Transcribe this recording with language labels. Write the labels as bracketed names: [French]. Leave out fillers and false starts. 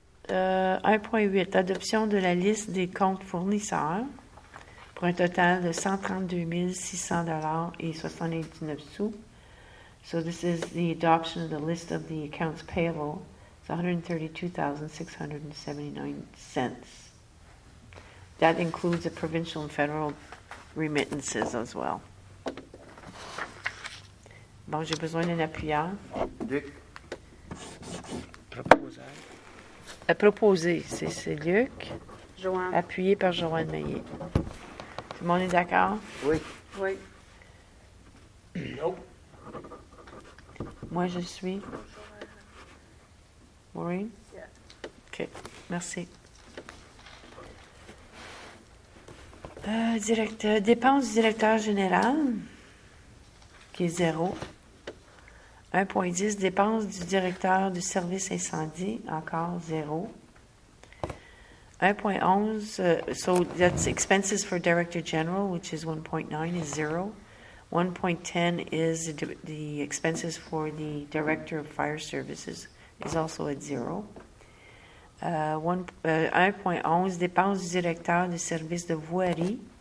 [French] 1.8, adoption de la liste des comptes fournisseurs pour un total de $132,600.79. [English] So this is the adoption of the list of the accounts payable. It's $132,679. That includes the provincial and federal remittances as well. [French] Bon, j'ai besoin d'un appuyant. Dick. Proposer. À proposer, c'est Luc. Joanne. Appuyé par Joanne Maillet. Tout le monde est d'accord? Oui. Oui. [English] Nope. [French] Moi, je suis. Maureen? [English] Yeah. [French] OK. Merci. Directeur, dépenses du directeur général, qui est zéro. 1.10, dépenses du directeur du service incendie, encore zéro. [English] 1.11, so that's expenses for director general, which is 1.9, is zero. 1.10 is the expenses for the director of fire services, is also at zero. [French] 1.11, dépenses du directeur de service de voirie.